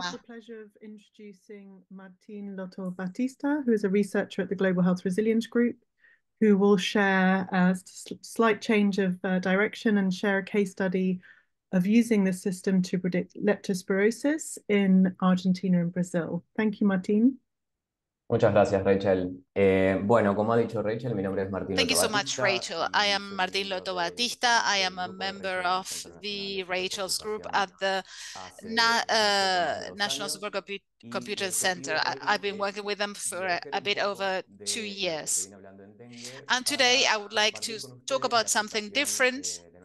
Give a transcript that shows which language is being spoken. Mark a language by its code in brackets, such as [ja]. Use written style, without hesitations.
[en] Now I have the pleasure of introducing Martin Lotto-Batista, who is a researcher at the Global Health Resilience Group, who will share a slight change of direction and share a case study of using this system to predict leptospirosis in Argentina and Brazil. Thank you, Martin. [es] Muchas gracias, Rachel. Bueno, como ha dicho Rachel, mi nombre es Martín. [en] Thank you so much, Rachel. I am Martín Lotto Batista. I am a member of the Rachel's group at the National Supercomputer Center. I've been working with them for a bit over 2 years. And today I would like to talk about something different